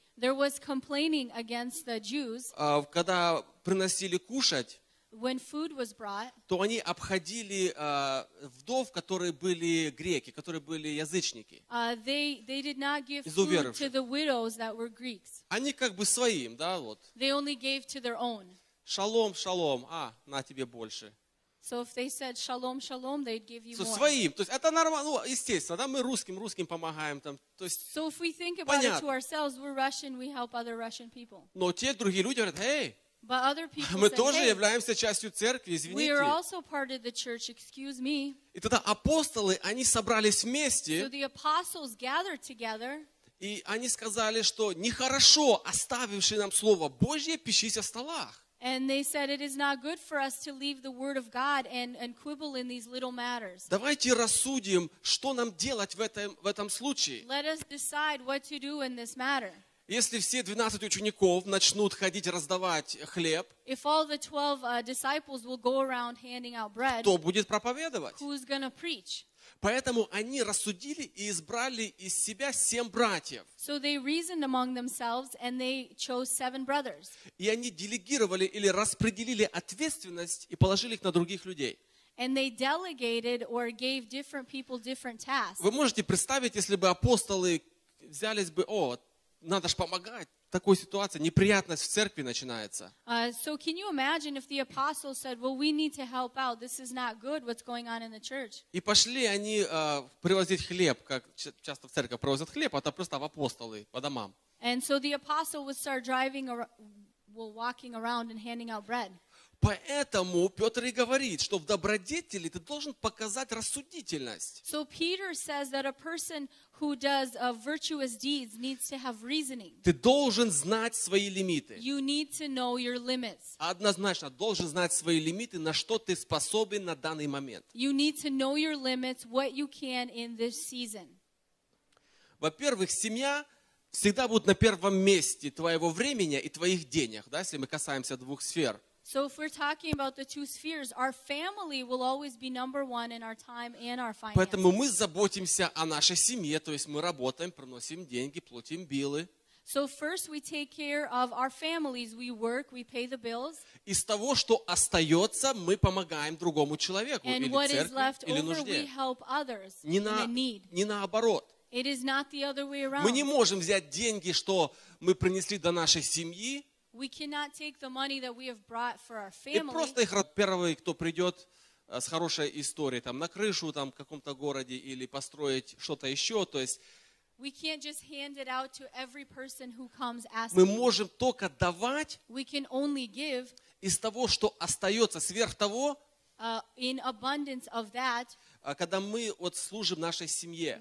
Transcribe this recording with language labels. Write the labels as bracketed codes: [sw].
[en] there was complaining against the Jews, [ru] когда приносили кушать, [en] when food was brought, [ru] то они обходили вдов, которые были греки, которые были язычники. [en] They did not give food to the widows that were Greeks. [ru] Они как бы своим, да, вот. [en] They only gave to their own. [ru] Шалом, шалом, а, на тебе больше. [en] So if they said шалом, шалом, they'd give you so more. [ru] Своим, то есть это нормально, ну, естественно, да, мы русским помогаем там, то есть, [en] so if we think [ru] понятно. [en] About it to ourselves, we're Russian, we help other Russian people. [ru] Но те другие люди говорят, эй, [en] but other people [ru] мы [en] said, [ru] тоже [en] hey, [ru] являемся частью церкви, извините. [en] We are also part of the church, excuse me. [ru] И тогда апостолы, они собрались вместе. [en] So the apostles gathered together. [ru] И они сказали, что нехорошо оставивши нам Слово Божье, пищись о столах. [en] And they said, it is not good for us to leave the word of God and quibble in these little matters. [ru] Давайте рассудим, что нам делать в этом случае. [en] Let us decide what to do in this matter. [ru] Если все 12 учеников начнут ходить раздавать хлеб, [en] if all the 12 disciples will go around handing out bread, [ru] кто будет проповедовать? [en] Who's going to preach? [ru] Поэтому они рассудили и избрали из себя 7 братьев. [en] So they reasoned among themselves and they chose 7 brothers. [ru] И они делегировали или распределили ответственность и положили их на других людей. [en] And they delegated or gave different people different tasks. [ru] Вы можете представить, если бы апостолы взялись бы, о, надо ж помогать. Такой ситуации неприятность в церкви начинается. [en] So can you imagine if the apostles said, well, we need to help out. This is not good, what's going on in the church. [ru] И пошли они привозить хлеб, как часто в церковь привозят хлеб, а то просто в апостолы, по домам. [en] And so the apostle would start driving or well, walking around and handing out bread. [ru] Поэтому Петр и говорит, что в добродетели ты должен показать рассудительность. [en] So Peter says that a person who does virtuous deeds needs to have reasoning. [ru] Ты должен знать свои лимиты. [en] You need to know your limits. [ru] Однозначно, должен знать свои лимиты, на что ты способен на данный момент. [en] You need to know your limits, what you can in this season. [ru] Во-первых, семья всегда будет на первом месте твоего времени и твоих денег, да, если мы касаемся двух сфер. [en] So if we're talking about the two spheres, our family will always be number one in our time and our finances. [ru] Поэтому мы заботимся о нашей семье, то есть мы работаем, приносим деньги, платим биллы. [en] So first we take care of our families. We work, we pay the bills. [ru] Из того, что остается, мы помогаем другому человеку [en] and [ru] или церкви, или нужде. [en] And what is left over, we help others in need. [ru] Не наоборот. [en] It is not the other way around. [ru] Мы не можем взять деньги, что мы принесли до нашей семьи, [en] we cannot take the money that we have brought for our family. [ru] И просто их первый, кто придет с хорошей историей, там на крышу, там в каком-то городе или построить что-то еще, то есть. [en] We can't just hand it out to every person who comes asking. [ru] Мы можем только давать. [en] We can only give. [ru] Из того, что остается сверх того. [en] In abundance of that. [ru] Когда мы вот служим нашей семье.